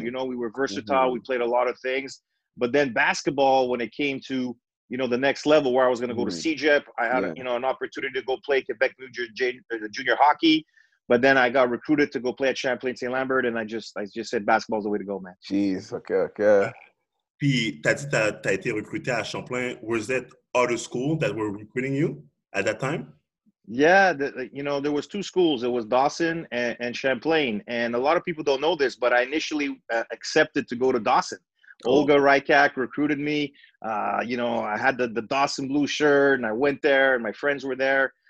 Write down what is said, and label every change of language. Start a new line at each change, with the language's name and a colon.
English: You know, we were versatile. We played a lot of things. But then basketball, when it came to, you know, the next level where I was going to go to CJEP, I had you know, an opportunity to go play Quebec Junior Hockey. But then I got recruited to go play at Champlain St. Lambert, and I just said basketball's the way to go, man. Jeez, okay.
French: Puis t'as dit t'as été recruté à Champlain.
English: Was that other school that were recruiting you at that time? Yeah, you know, there was two schools. It was Dawson and Champlain. And a lot of people don't know this, but I initially accepted to go to Dawson. Cool. Olga Rykak recruited me. You know, I had the Dawson blue shirt, and I went there, and my friends were there.